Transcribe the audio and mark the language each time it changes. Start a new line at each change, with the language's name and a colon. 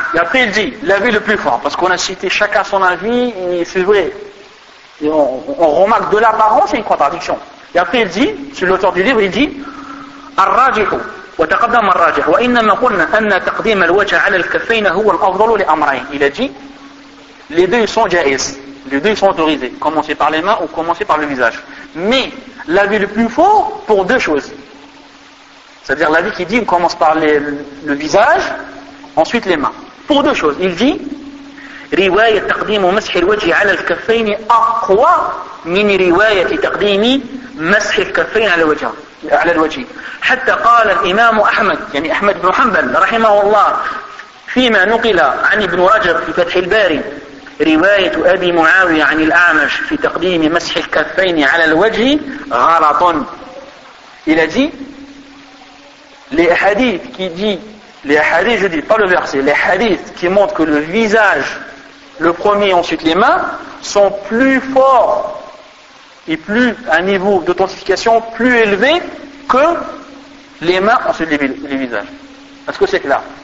French: Et après il dit l'avis le plus fort, parce qu'on a cité chacun son avis, et c'est vrai, et on remarque de l'apparence, une contradiction. Et après il dit, c'est l'auteur du livre, il dit Ar-Rajihu.
Arabic: وتقدم الراجح وإنما قلنا أن تقديم الوجه على الكفين هو الأفضل لأمرين.
French: Il a dit les deux sont jaïs, les deux sont autorisés, commencer par les mains ou commencer par le visage. Mais l'avis le plus fort pour deux choses, c'est-à-dire l'avis qui dit on commence par le visage, ensuite les mains, pour deux choses. Il dit
Arabic: رواية تقديم مسح الوجه على الكفين أقوى من رواية تقديم مسح الكفين على الوجه. على الوجه. حتى قال الإمام أحمد, يعني أحمد بن حنبل رحمه الله, فيما نقل عن ابن رجب في فتح الباري رواية أبي معاوية عن الأعمش في تقديم مسح الكفين على الوجه غلط.
French: Il a dit les hadiths qui dit les hadiths, je dis pas le verset, les hadiths qui montrent que le visage, le premier ensuite les mains, sont plus forts et plus un niveau d'authentification plus élevé que les mains, ensuite les visages. Est-ce que c'est clair?